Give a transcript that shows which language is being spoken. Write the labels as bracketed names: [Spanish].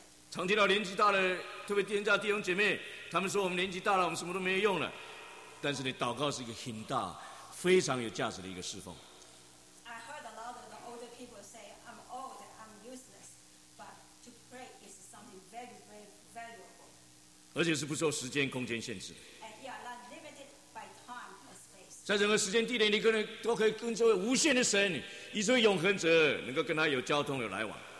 [Chinese] 常听到年纪大的，特别年纪大的弟兄姐妹，他们说我们年纪大了，我们什么都没有用了。但是你祷告是一个很大、非常有价值的一个侍奉。 [English] I heard a lot of the older people say, "I'm old, I'm useless," but to pray is something very, very valuable. [Chinese] 而且是不受时间、空间限制。 [English] And you are not limited by time or space. [Chinese] 在任何时间、地点，你可能都可以跟这位无限的神，以至于永恒者能够跟他有交通、有来往。